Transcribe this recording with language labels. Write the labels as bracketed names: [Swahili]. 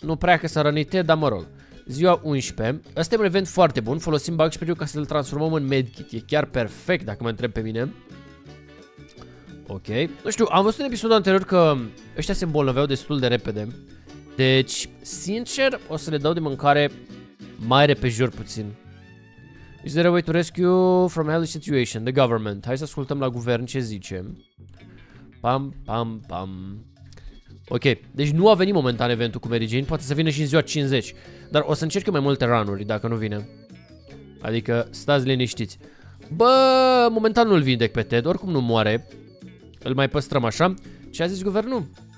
[Romanian] Nu prea că s-a rănit Ted, dar mă rog. Ziua 11, ăsta e un event foarte bun, folosim bug spray-ul ca să-l transformăm în medkit, e chiar perfect dacă mă întreb pe mine. Ok, nu știu, am văzut în episodul anterior că ăștia se îmbolnăveau destul de repede. Deci, sincer, o să le dau de mâncare mai repejor puțin. [English] Is there a way to rescue from hell situation? The government. [Romanian] Hai să ascultăm la guvern ce zice. Pam, pam, pam. Ok, deci nu a venit momentan eventul cu Mary Jane. Poate să vină și în ziua 50. Dar o să încerc mai multe run-uri dacă nu vine. Adică, stați liniștiți. Bă, momentan nu-l vindec pe Ted, oricum nu moare. Îl mai păstrăm așa. Ce a zis guvernul?